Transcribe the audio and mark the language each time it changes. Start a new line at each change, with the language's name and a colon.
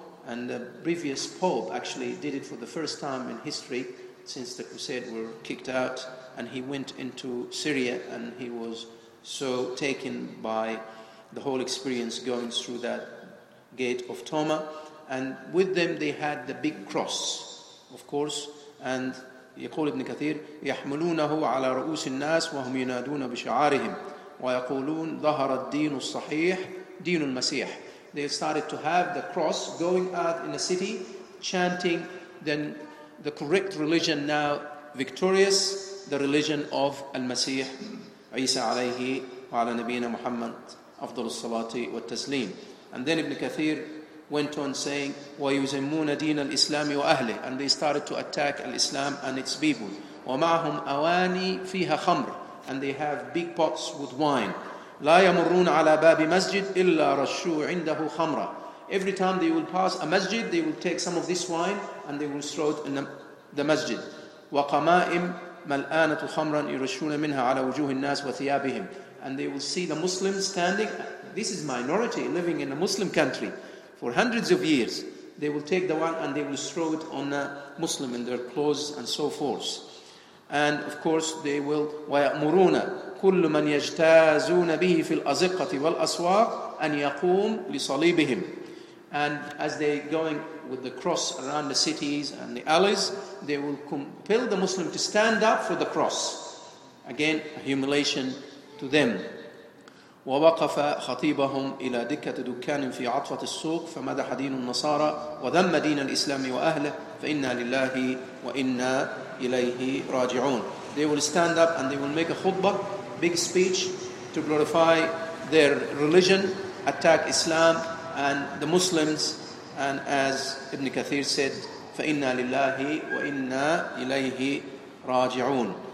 English: And the previous pope actually did it for the first time in history, since the crusade were kicked out. And he went into Syria, and he was so taken by the whole experience going through that gate of Toma. And with them they had the big cross, of course.
Arabic: And يقول ابن كثير يحملونه على رؤوس الناس وهم ينادون بشعارهم ويقولون ظهر الدين الصحيح دين المسيح.
English: They started to have the cross going out in the city, chanting, then the correct religion now victorious, the religion of
Arabic: المسيح عيسى عليه وعلى نبينا محمد أفضل الصلاة والتسليم.
English: And then ابن كثير went on saying,
Arabic: وَيُزَمُّونَ دِينَ الْإِسْلَامِ وَأَهْلِهِ,
English: and they started to attack Islam and its people.
Arabic: وَمَعَهُمْ أَوَانِي فِيهَا خَمْرٍ,
English: and they have big pots with wine.
Arabic: لَا يَمُرُّونَ عَلَى بَابِ مَسْجِدٍ إِلَّا رَشُّوا عِنْدَهُ خَمْرًا.
English: Every time they will pass a masjid, they will take some of this wine and they will throw it in the masjid.
Arabic: وَقَمَائِمْ مَلْآنَةُ خَمْرًا يُرَشُّونَ مِنْهَا عَلَى وُجُوهِ النَّاسِ وَثِيَابِهِمْ.
English: And they will see the Muslims standing. This is minority living in a Muslim country. For hundreds of years, they will take the wine and they will throw it on a Muslim in their clothes and so forth. And of course, they will
Arabic: وَيَأْمُرُونَ كُلُّ مَنْ يَجْتَازُونَ بِهِ فِي الْأَزِقَّةِ وَالْأَسْوَاقِ أَنْ يَقُومْ لِصَلِيبِهِمْ.
English: And as they going with the cross around the cities and the alleys, they will compel the Muslim to stand up for the cross. Again, a humiliation to them.
Arabic: ووقف خطيبهم إلى دكة دكان في عطفة السوق فمدح دين النصارى وذم دين الإسلام وأهله فإنا لله وإنا إليه راجعون.
English: They will stand up and they will make a khutbah, big speech, to glorify their religion, attack Islam and the Muslims, and as Ibn Kathir said,
Arabic: فَإِنَّا لِلَّهِ وَإِنَّا إِلَيْهِ رَاجِعُونَ.